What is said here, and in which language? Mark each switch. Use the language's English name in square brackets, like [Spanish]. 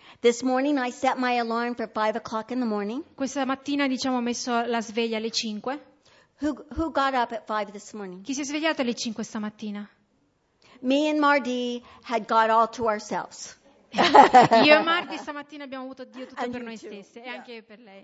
[English] This morning I set my alarm for 5 o'clock in the morning. [Italian] Questa mattina, diciamo, ho messo la sveglia alle 5. [English] Who got up at 5 this morning? [Italian] Chi si è svegliato alle 5 stamattina? [English] Me and Mardi had got all to ourselves. [Italian] Io e Margie stamattina abbiamo avuto Dio tutto per noi stesse, e anche per lei.